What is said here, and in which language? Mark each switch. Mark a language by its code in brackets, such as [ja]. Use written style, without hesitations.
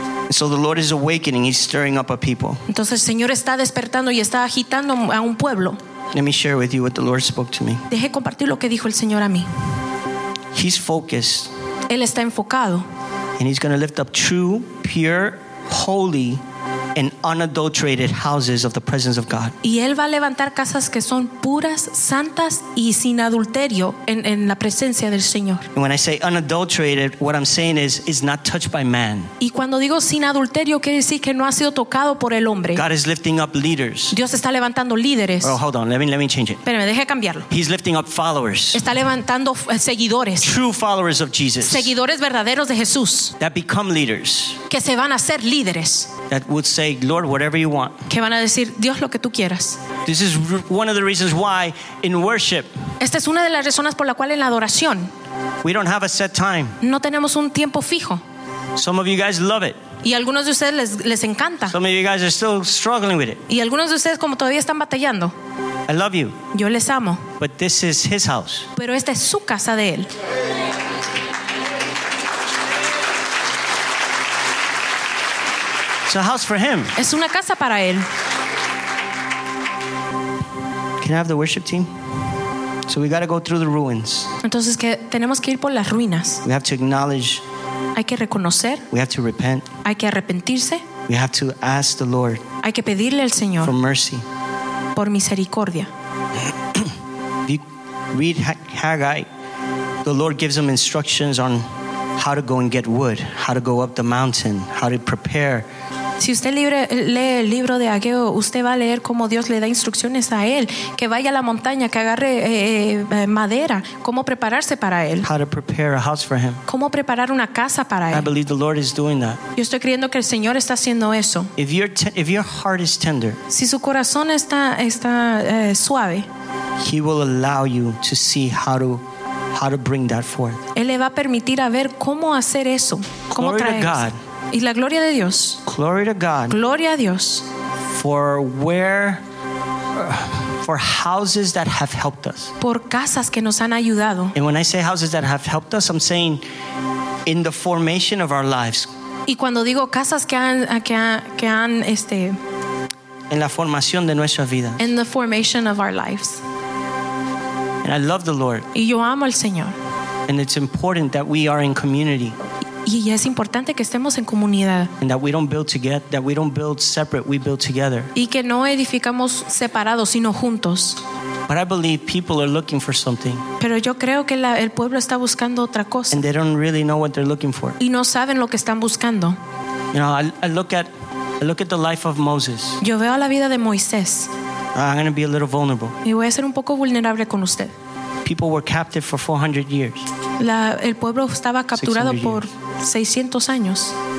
[en] So the Lord is awakening, he's stirring up a people. [es] Entonces el Señor está despertando y está agitando a un pueblo. [en] Let me share with you what the Lord spoke to me. [es] Deje compartir lo que dijo el Señor a mí. [en] He's focused. [es] Él está enfocado. [en] And he's going to lift up true, pure, holy and unadulterated houses of the presence of God. [es] Y él va a levantar casas que son puras, santas y sin adulterio en la presencia del Señor. [en] And when I say unadulterated, what I'm saying is not touched by man. [es] Y cuando digo sin adulterio quiere decir que no ha sido tocado por el hombre. [en] God is lifting up leaders. [es] Dios está levantando líderes. [en] Oh, hold on, let me change it. [es] Espérame, deje cambiarlo. [en] He's lifting up followers. [es] Está levantando seguidores. [en] True followers of Jesus. [es] Seguidores verdaderos de Jesús. [en] That become leaders. [es] Que se van a ser líderes. [en] That would say, Lord, whatever you want. [es] Que van a decir, Dios, lo que tú quieras. [en] This is one of the reasons why in worship. [es] Esta es una de las razones por la cual en la adoración. [en] We don't have a set time. [es] No tenemos un tiempo fijo. [en] Some of you guys love it. [es] Y algunos de ustedes les encanta. [en] Some of you guys are still struggling with it. [es] Y algunos de ustedes como todavía están batallando. [en] I love you. [es] Yo les amo. [en] But this is his house. [es] Pero esta es su casa de él. [en] It's a house for him. [es] Es una casa para él. [en] Can I have the worship team? So we got to go through the ruins. [es] Entonces que tenemos que ir por las ruinas. [en] We have to acknowledge. [es] Hay que reconocer. [en] We have to repent. [es] Hay que arrepentirse. [en] We have to ask the Lord. [es] Hay que pedirle al Señor. [en] For mercy. [es] Por misericordia. [en] If you read Haggai, the Lord gives him instructions on how to go and get wood, how to go up the mountain, how to prepare [es] Si usted lee el libro de Hageo, usted va a leer cómo Dios le da instrucciones a él, que vaya a la montaña, que agarre madera, cómo prepararse para él. [en] How to prepare a house for him. [es] Cómo preparar una casa para él. [en] I believe the Lord is doing that. [es] Yo estoy creyendo que el Señor está haciendo eso. [en] If your heart is tender, [es] si su corazón está suave, [en] he will allow you to see how to bring that forth. [es] Él le va a permitir a ver cómo hacer eso, cómo traer. [en] Glory to God. [es] Y la gloria de Dios. [en] Glory to God. [es] Gloria a Dios. [en] For houses that have helped us. [es] Por casas que nos han ayudado. [en] And when I say houses that have helped us, I'm saying in the formation of our lives. [es] Y cuando digo casas que han en la formación de nuestras vidas. [en] In the formation of our lives. And I love the Lord. [es] Y yo amo al Señor. [en] And it's important that we are in community. [es] Y es importante que estemos en comunidad. [en] And that we don't build together, that we don't build separate, we build together. [es] Y que no edificamos separados, sino juntos. [en] But I believe people are looking for something. [es] Pero yo creo que el pueblo está buscando otra cosa. [en] And they don't really know what they're looking for. [es] Y no saben lo que están buscando. [en] You know, I look at the life of Moses. [es] Yo veo la vida de Moisés. [en] I'm going to be a little vulnerable. [es] Y voy a ser un poco vulnerable con usted. [en] People were captive for 400 years. [es] El pueblo estaba capturado por 600 años.